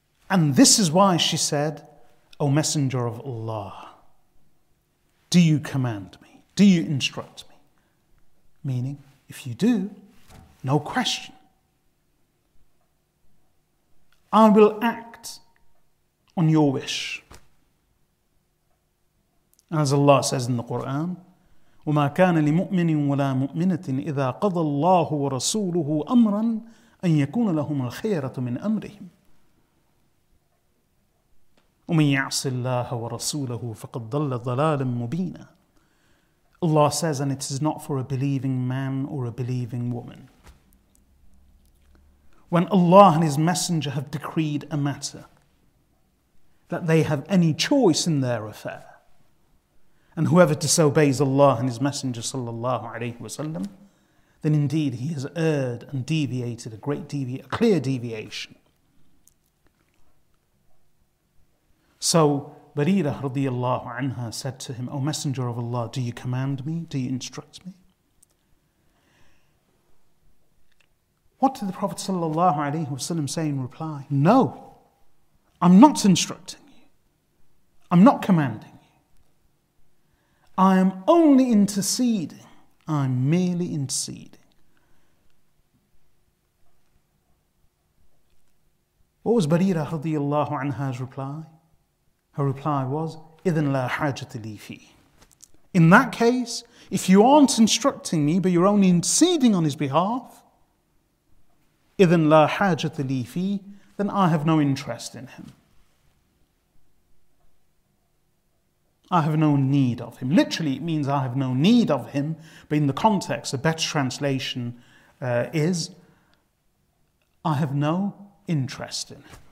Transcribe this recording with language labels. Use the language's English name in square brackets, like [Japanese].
[English] And this is why she said, "O Messenger of Allah, do you command me? Do you instruct me?" Meaning, if you do, no question, I will act on your wish. [Arabic] As Allah says in the Quran, وَمَا كَانَ لِمُؤْمِنٍ وَلَا مُؤْمِنَةٍ إِذَا قَضَى اللَّهُ وَرَسُولُهُ أَمْرًا أَنْ يَكُونَ لَهُمُ الْخِيَرَةُ مِنْ أَمْرِهِمْ وَمَنْ يَعْصِ اللَّهَ وَرَسُولَهُ فَقَدْ ضَلَّ ضَلَالًا مُبِينًا. [English] Allah says, and it is not for a believing man or a believing woman. When Allah and His Messenger have decreed a matter, that they have any choice in their affair, and whoever disobeys Allah and His Messenger sallallahu alayhi wasallam, then indeed he has erred and deviated, a clear deviation. So Barira radiallahu anha said to him, O Messenger of Allah, do you command me? Do you instruct me? What did the Prophet sallallahu alayhi wasallam say in reply? No, I'm not instructing you. I'm not commanding you. I am only interceding. I'm merely interceding. What was Barira radiallahu anha's reply? [Arabic] Her reply was, إِذَنْ لَا حَاجَةِ لِي فِي. [English] In that case, if you aren't instructing me, but you're only interceding on his behalf, [Arabic] إِذَنْ لَا حَاجَةِ لِي فِي, [English] then I have no interest in him. I have no need of him. Literally, it means I have no need of him, but in the context, a better translation is, I have no interest in him.